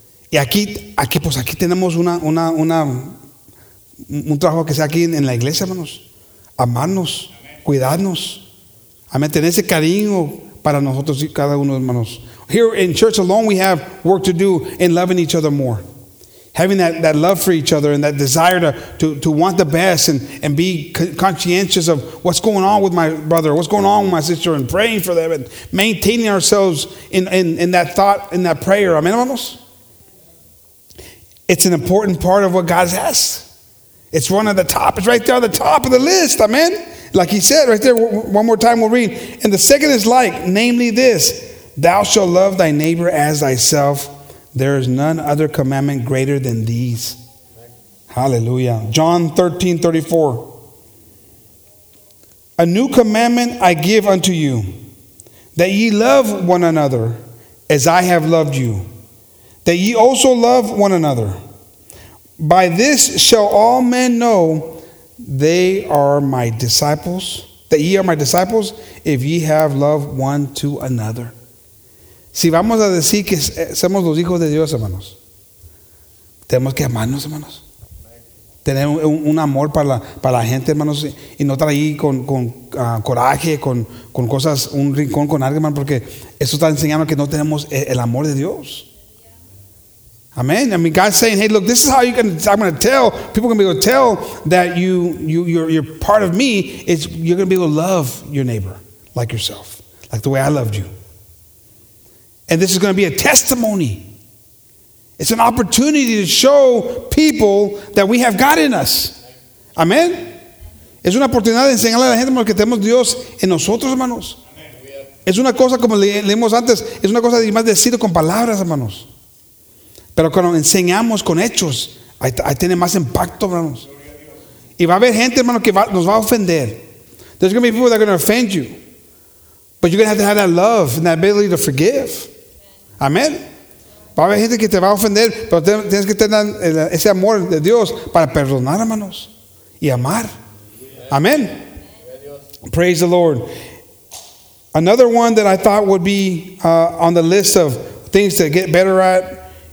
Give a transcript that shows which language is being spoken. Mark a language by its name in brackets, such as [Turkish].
[Spanish] Y aquí tenemos un trabajo que sea aquí en la iglesia, hermanos. Amarnos. Cuidarnos. Amén. Tener ese cariño para nosotros y cada uno, hermanos. [English] Here in church alone, we have work to do in loving each other more. Having that love for each other and that desire to want the best and be conscientious of what's going on with my brother, what's going on with my sister, and praying for them and maintaining ourselves in that thought, in that prayer. [Spanish] Amén, hermanos. [English] It's an important part of what God has. It's one of the top. It's right there on the top of the list. Amen. Like he said right there, one more time we'll read. And the second is like, namely this, thou shalt love thy neighbor as thyself. There is none other commandment greater than these. Hallelujah. John 13:34. A new commandment I give unto you, that ye love one another as I have loved you, that ye also love one another. By this shall all men know they are my disciples, that ye are my disciples, if ye have love one to another. [Spanish] Si vamos a decir que somos los hijos de Dios, hermanos, tenemos que amarnos, hermanos. tener un amor para la gente, hermanos, y no estar ahí con coraje, con cosas, un rincón con alguien, hermano, porque eso está enseñando que no tenemos el amor de Dios. [English] Amen. I mean, God's saying, "Hey, look, this is how you can. I'm going to tell people. Can be able to tell that you're part of me. It's you're going to be able to love your neighbor like yourself, like the way I loved you. And this is going to be a testimony. It's an opportunity to show people that we have God in us. Amen. [Spanish] Es una oportunidad de enseñarle a la gente que tenemos Dios en nosotros, hermanos. Es una cosa como leímos antes. Es una cosa de más decirlo con palabras, hermanos. Pero cuando enseñamos con hechos, ahí tiene más impacto, hermanos. Y va a haber gente, hermano, que nos va a ofender. [English] There's going to be people that are going to offend you. But you're going to have that love and that ability to forgive. [Spanish] Amén. Va a haber gente que te va a ofender, pero tienes que tener ese amor de Dios para perdonar, hermanos, y amar. [English] Amén. Praise the Lord. Another one that I thought would be on the list of things to get better at.